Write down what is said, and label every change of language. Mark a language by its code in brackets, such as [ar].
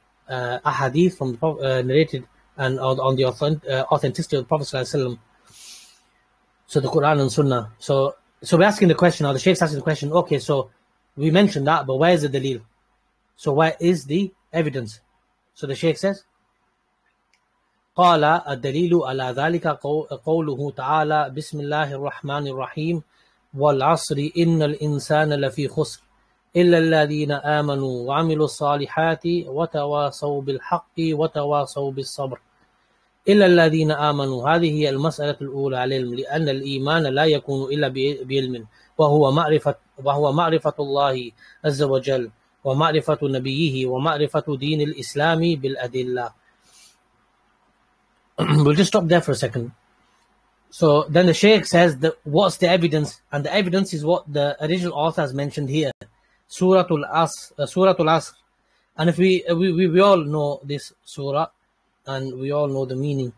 [en] ahadith from narrated and on the authenticity of the Prophet Sallallahu Alaihi Wasallam. So the Quran and Sunnah. So we're asking the question, or the Shaykh's asking the question, okay, so we mentioned that, but where is the dalil? So where is the evidence? So the Shaykh says, [ar] قال الدليل على ذلك قوله تعالى بسم الله الرحمن الرحيم والعصر إن الإنسان لفي خسر إلا الذين آمنوا وعملوا الصالحات وتواصوا بالحق وتواصوا بالصبر إلا الذين آمنوا هذه هي المسألة الأولى علم لأن الإيمان لا يكون إلا بعلم وهو معرفة الله عز وجل ومعرفة نبيه ومعرفة دين الإسلام بالأدلة. [en] We'll just stop there for a second. So then the Shaykh says, that what's the evidence? And the evidence is what the original author has mentioned here. Surah Al-Asr. And if we all know this surah, and we all know the meaning.